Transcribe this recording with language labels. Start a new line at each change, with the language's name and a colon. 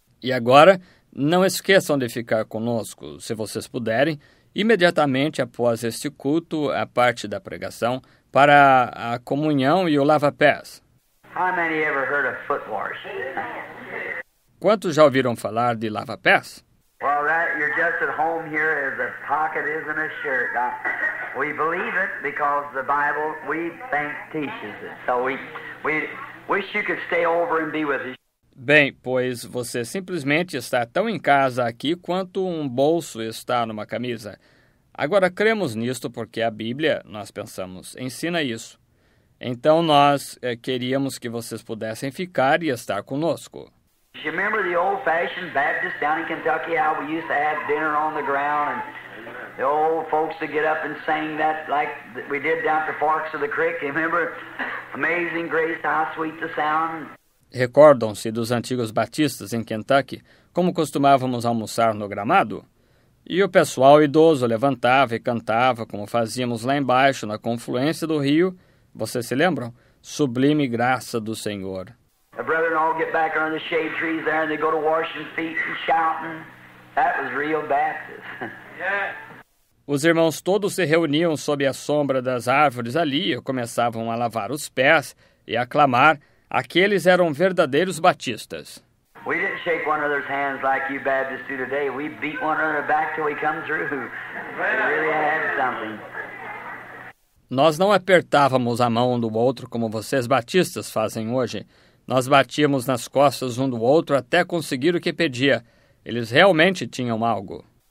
Portuguese: E agora, não esqueçam de ficar conosco, se vocês puderem, Imediatamente após este culto, a parte da pregação, para a comunhão e o lava-pés.
English: How many ever heard of foot wash?
Portuguese: Quantos já ouviram falar de lava-pés?
English: Well, that you're just at home here as a pocket isn't a shirt. We believe it because the Bible, we think, teaches it. So we wish you could stay over and be with us.
Portuguese: Bem, pois você simplesmente está tão em casa aqui quanto um bolso está numa camisa. Agora, cremos nisto porque a Bíblia, nós pensamos, ensina isso. Então, nós queríamos que vocês pudessem ficar e estar conosco. Você lembra do
English: old-fashioned Baptist down in Kentucky, how we used to have dinner on the ground, and the old folks would get up and sing that like we did down at the Forks of the Creek? You remember? Amazing grace, how sweet the sound.
Portuguese: Recordam-se dos antigos batistas em Kentucky, como costumávamos almoçar no gramado? E o pessoal idoso levantava e cantava, como fazíamos lá embaixo, na confluência do rio. Vocês se lembram? Sublime graça do Senhor.
English: A brother and all get back under the shade trees there and they go to washing feet and shouting. That was real Baptist.
Portuguese: Os irmãos todos se reuniam sob a sombra das árvores ali e começavam a lavar os pés e a clamar. Aqueles eram verdadeiros batistas.
English: We didn't shake one another's hands like you Baptists do today. We beat one another back till we come through. We really had something.
Portuguese: Nós não apertávamos a mão um do outro como vocês batistas fazem hoje. Nós batíamos nas costas um do outro até conseguir o que pedia. Eles realmente tinham algo.